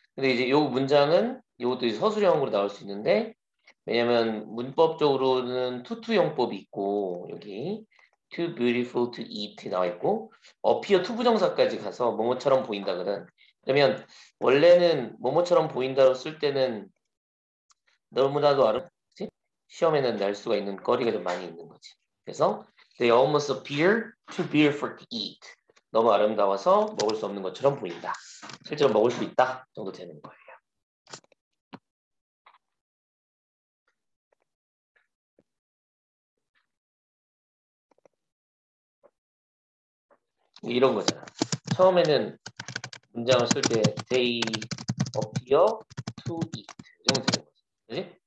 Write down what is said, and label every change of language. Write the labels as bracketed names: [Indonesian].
[Korean] 근데 이제 이 문장은 이것도 이제 서술형으로 나올 수 있는데, 왜냐면 문법적으로는 투투형법이 있고, 여기 [English] too beautiful to eat [Korean] 이 나와 있고, appear 투부정사까지 가서 뭐뭐처럼 보인다거든. 그러면 원래는 뭐뭐처럼 보인다로 쓸 때는 너무나도 아름다워, 시험에는 낼 수가 있는 거리가 좀 많이 있는 거지. 그래서 [English] they almost appear too beautiful to eat. [Korean] 너무 아름다워서 먹을 수 없는 것처럼 보인다. 실제로 먹을 수 있다 정도 되는 거예요. 이런 거잖아. 처음에는 문장을 쓸때 [English] they appear to eat [Korean] 이런 거 되는 거지. 그지?